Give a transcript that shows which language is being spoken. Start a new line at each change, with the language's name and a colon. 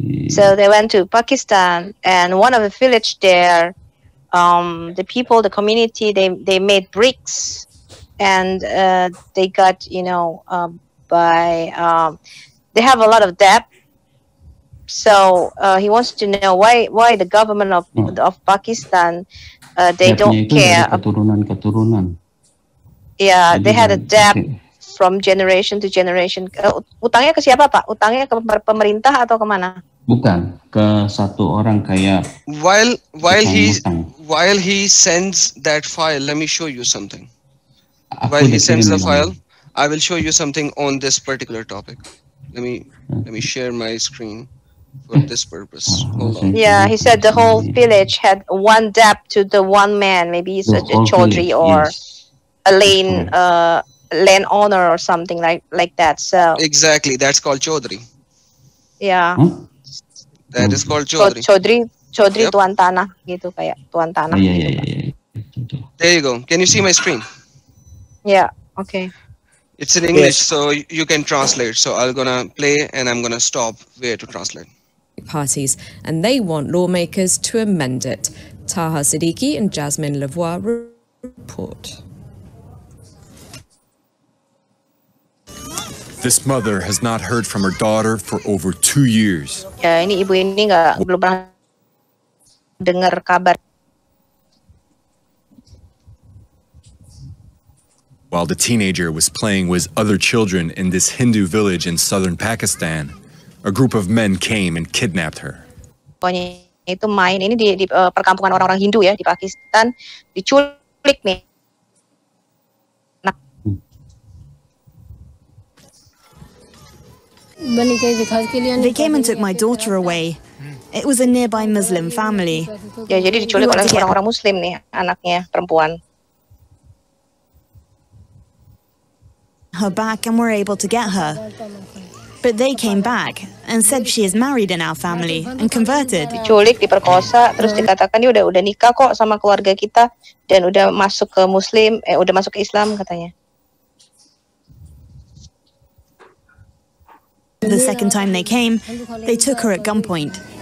English: So they went to Pakistan, and one of the village there, the people, the community, they made bricks, and they got, you know, by they have a lot of debt. So he wants to know why the government of Pakistan they don't care.
Indonesian: Keturunan.
English: Yeah, they had a debt from generation to generation.
Indonesian: Utangnya ke siapa, Pak? Utangnya ke pemerintah atau kemana? Bukan, ke satu orang kayak
English: while he sends that file, let me show you something. While he sends the file, I will show you something on this particular topic. Let me share my screen for this purpose. Hold on. Yeah, he said the whole village had one debt to the one man, maybe he's a chaudhry or a land owner or something like that. So exactly, that's called chaudhry. Yeah. Huh? That is called chaudhry.
Indonesian: Chaudhry, yep. Tuan tanah, gitu kayak tuan tanah.
English: Yeah, yeah. There you go. Can you see my screen? Yeah. Okay. It's in English, so you can translate. So I'm gonna play, and I'm gonna stop where to translate. Parties, and they want lawmakers to amend it. Taha Siddiqui and Jasmine Lavoie report. This mother has not heard from her daughter for over 2 years.
Indonesian: Ya, ini ibu ini belum pernah dengar kabar.
English: While the teenager was playing with other children in this Hindu village in southern Pakistan, a group of men came and kidnapped her.
Indonesian: Pokoknya itu main ini di perkampungan orang-orang Hindu ya di Pakistan, diculik nih.
English: They came and took my daughter away. It was a nearby Muslim family.
Indonesian: Ya, jadi diculik oleh orang-orang Muslim nih, anaknya perempuan.
English: Her back, and were able to get her. But they came back and said she is married in our family and converted.
Indonesian: Diculik, diperkosa, terus dikatakan dia udah nikah kok sama keluarga kita dan udah masuk ke Muslim, udah masuk ke Islam katanya.
English: The second time they came, they took her at gunpoint.